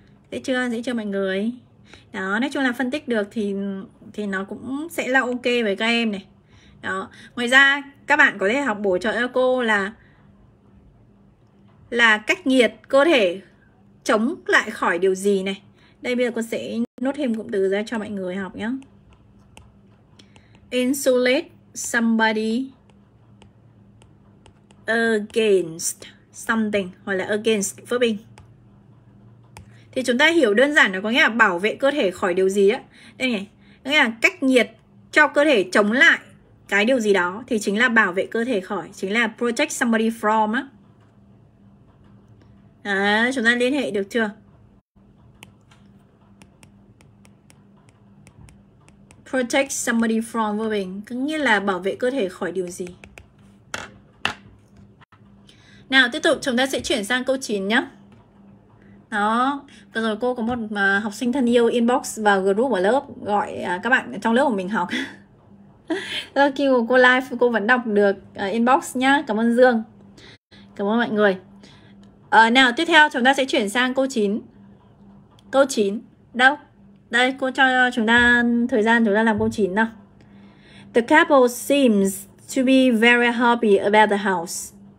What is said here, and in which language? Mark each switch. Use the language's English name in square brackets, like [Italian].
[Vietnamese] Dễ chưa mọi người? Đó, nói chung là phân tích được thì nó cũng sẽ là ok với các em này. Đó. Ngoài ra các bạn có thể học bổ trợ cho cô là cách nhiệt cơ thể chống lại khỏi điều gì này. Đây bây giờ cô sẽ nốt thêm cụm từ ra cho mọi người học nhé. [English] Insulate somebody against something [Vietnamese] hoặc là [English] against verb ing. [Vietnamese] Thì chúng ta hiểu đơn giản nó có nghĩa là bảo vệ cơ thể khỏi điều gì á. Đây này, có nghĩa là cách nhiệt cho cơ thể chống lại cái điều gì đó thì chính là bảo vệ cơ thể khỏi, chính là [English] protect somebody from [Vietnamese] á. À, chúng ta liên hệ được chưa? [English] Protect somebody from verb ing, [Vietnamese] có nghĩa là bảo vệ cơ thể khỏi điều gì. Nào, tiếp tục chúng ta sẽ chuyển sang câu 9 nhé. Đó, rồi cô có một học sinh thân yêu inbox vào group của lớp gọi các bạn trong lớp của mình học. Rồi khi cô live, cô vẫn đọc được inbox nhá. Cảm ơn Dương. Cảm ơn mọi người. Nào, tiếp theo chúng ta sẽ chuyển sang câu 9. Câu 9. Đâu? Đây, cô cho chúng ta thời gian chúng ta làm câu 9 nào. [English] The couple seems to be very happy about the house.